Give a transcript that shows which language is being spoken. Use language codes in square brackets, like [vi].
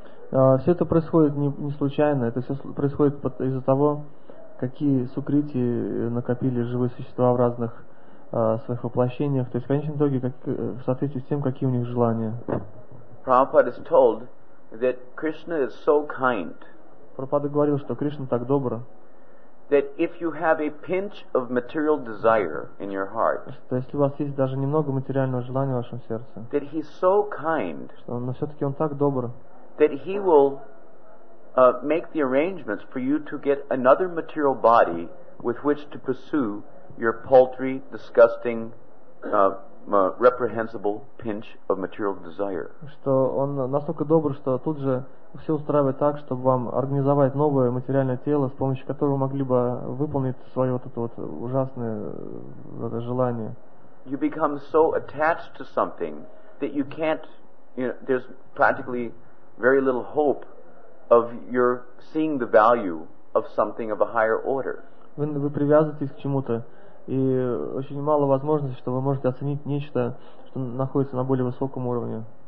[ru] Все это происходит не случайно. Это все происходит из-за того, какие сукрити накопили живые существа в разных своих воплощениях. То есть в конечном итоге в соответствии с тем, какие у них желания. [en] Prabhupada is told that Krishna is so kind. [ru] Прабхупада говорил, что Кришна так добр. [en] That if you have a pinch of material desire in your heart, [ru] то есть у вас есть даже немного материального желания в вашем сердце, [en] that he's so kind, [ru] что он, но все-таки он так добр, [en] that he will make the arrangements for you to get another material body with which to pursue your paltry, disgusting, reprehensible pinch of material desire. [ru] Что он настолько добр, что тут же все устраивает так, чтобы вам организовать новое материальное тело, с помощью которого вы могли бы выполнить свое вот это вот ужасное это желание. [en] You become so attached to something that you can't, you know, there's practically very little hope of your seeing the value of something of a higher order. [ru] Вы привязываетесь к чему-то, и очень мало возможностей, что вы можете оценить нечто, что находится на более высоком уровне.